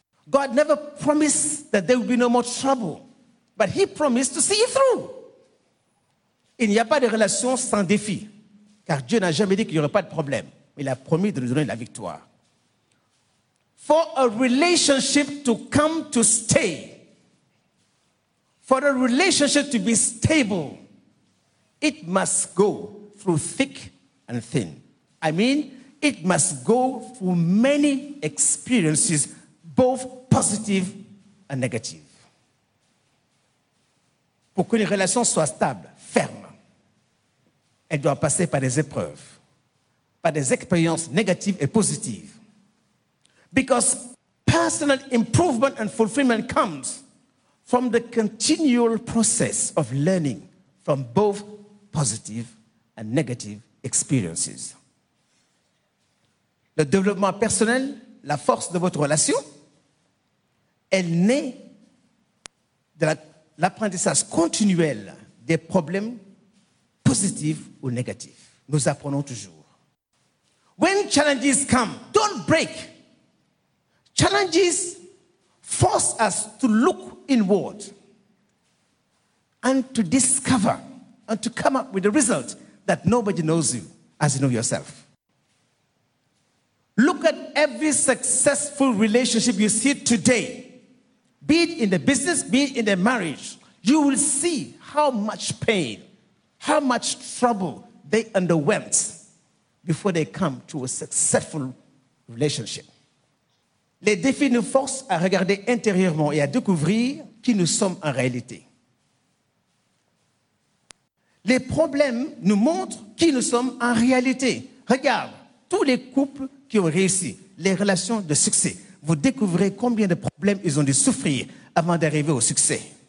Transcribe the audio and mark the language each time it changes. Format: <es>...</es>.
<en>God never promised that there will be no more trouble, but he promised to see you through.</en> <fr>Il n'y a pas de relation sans défi. Car Dieu n'a jamais dit qu'il n'y aurait pas de problème. Il a promis de nous donner la victoire.</fr> <en>For a relationship to come to stay, for a relationship to be stable, it must go through thick and thin. I mean, it must go through many experiences, both positive and negative.</en> <fr>Pour qu'une relation soit stable, ferme, elle doit passer par des épreuves, par des expériences négatives et positives.</fr> <en>Because personal improvement and fulfillment comes from the continual process of learning from both positive and negative experiences.</en> <fr>Le développement personnel, la force de votre relation, elle naît de l'apprentissage continuel des problèmes positifs ou négatifs. Nous apprenons toujours.</fr> <en>When challenges come, don't break. Challenges force us to look inward and to discover and to come up with a result that nobody knows you as you know yourself. Look at every successful relationship you see today, be it in the business, be it in the marriage, you will see how much pain, how much trouble they underwent before they come to a successful relationship.</en> <fr>Les défis nous forcent à regarder intérieurement et à découvrir qui nous sommes en réalité. Les problèmes nous montrent qui nous sommes en réalité. Regarde, tous les couples qui ont réussi, les relations de succès, vous découvrez combien de problèmes ils ont dû souffrir avant d'arriver au succès.</fr>